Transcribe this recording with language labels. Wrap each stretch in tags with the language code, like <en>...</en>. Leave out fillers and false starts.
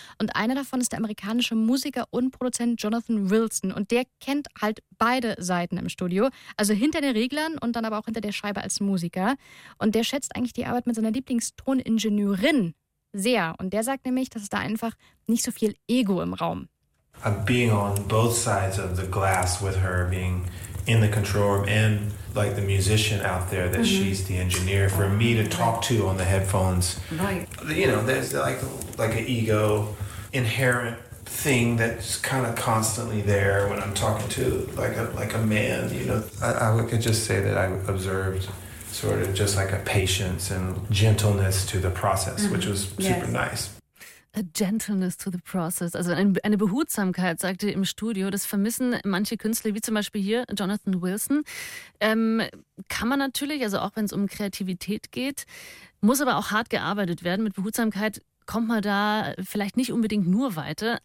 <de>Und einer davon ist der amerikanische Musiker und Produzent Jonathan Wilson. Und der kennt halt beide Seiten im Studio, also hinter den Reglern und dann aber auch hinter der Scheibe als Musiker. Und der schätzt eigentlich die Arbeit mit seiner Lieblingstoningenieurin sehr. Und der sagt nämlich, dass es da einfach nicht so viel Ego im Raum.</de> <en>Being on both sides of the glass with her, being in the control room and like the musician out there, that she's the engineer for me to talk to on the headphones. Right. You know, there's like an ego inherent thing that's kind of constantly there when I'm talking to like a man, you know. I could just say that I observed sort of just like a patience and gentleness to the process, which was super nice. A gentleness to the process,</en> <de>also eine Behutsamkeit, sagte im Studio. Das vermissen manche Künstler, wie zum Beispiel hier Jonathan Wilson. Kann man natürlich, also auch wenn es um Kreativität geht, muss aber auch hart gearbeitet werden. Mit Behutsamkeit kommt man da vielleicht nicht unbedingt nur weiter.</de>